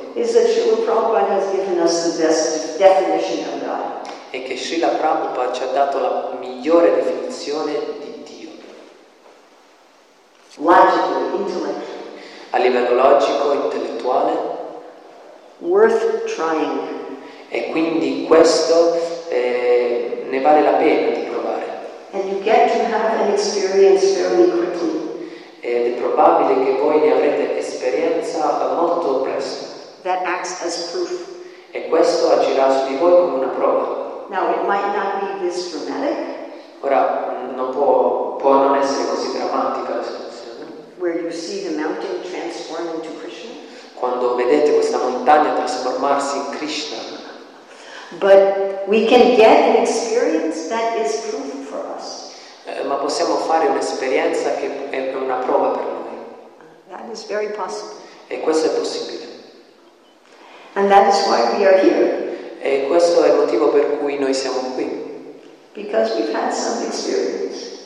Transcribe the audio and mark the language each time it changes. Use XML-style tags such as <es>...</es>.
<en>Is that Srila Prabhupada has given us the best definition of God.</en> <it>È che Srila Prabhupada ci ha dato la migliore definizione di Dio.</it> <en>Logically, intellectual.</en> <it>A livello logico, intellettuale.</it> <en>Worth trying.</en> <it>E quindi questo ne vale la pena di provare.</it> <en>And you get to have an experience very quickly.</en> <it>Ed è probabile che voi ne avrete esperienza molto presto.</it> <en>That acts as proof.</en> <it>E questo agirà su di voi come una prova.</it> <en>Now, it might not be this dramatic.</en> <it>Ora, non può, può non essere così drammatica la situazione.</it> <en>Where you see the mountain transform into Krishna.</en> <it>Quando vedete questa montagna trasformarsi in Krishna.</it> <en>But we can get an experience that is proof for us.</en> <it>Ma possiamo fare un'esperienza che è una prova per noi.</it> <en>That is very possible.</en> <it>E questo è possibile.</it> <en>And that is why we are here.</en> <it>E questo è il motivo per cui noi siamo qui.</it> <en>Because we've had some experience.</en>